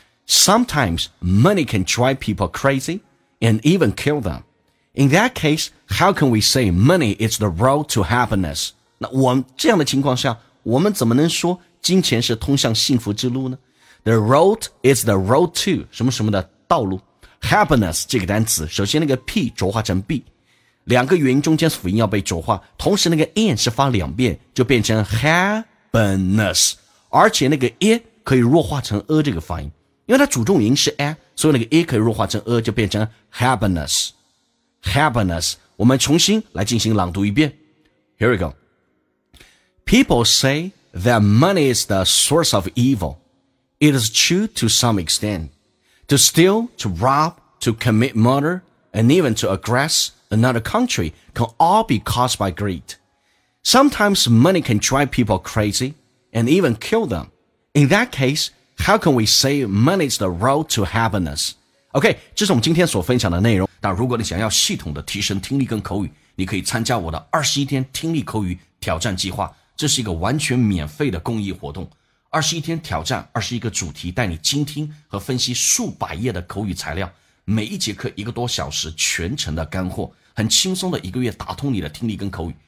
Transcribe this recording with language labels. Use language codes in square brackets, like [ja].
[en] Sometimes, money can drive people crazy and even kill them. In that case, how can we say money is the road to happiness? [zh] 那我们这样的情况下，我们怎么能说金钱是通向幸福之路呢？ [en] The road is the road to, [zh] 什么什么的道路。Happiness 这个单词，首先那个 P 浊化成 B， 两个元音中间辅音要被浊化，同时那个 N 是发两遍，就变成 happiness， 而且那个 A 可以弱化成 A 这个发音，因为它主重音是 A， 所以那个 A 可以弱化成 A， 就变成 happiness。 Happiness 我们重新来进行朗读一遍。 [en] Here we go. People say that money is the source of evil. It is true to some extentTo steal, to rob, to commit murder, and even to aggress another country can all be caused by greed. Sometimes money can drive people crazy and even kill them. In that case, how can we say money is the road to happiness? [zh] OK， 这是我们今天所分享的内容。但如果你想要系统的提升听力跟口语，你可以参加我的21天听力口语挑战计划，这是一个完全免费的公益活动。 21天挑战21个主题，带你精听和分析数百页的口语材料，每一节课一个多小时，全程的干货，很轻松的一个月打通你的听力跟口语。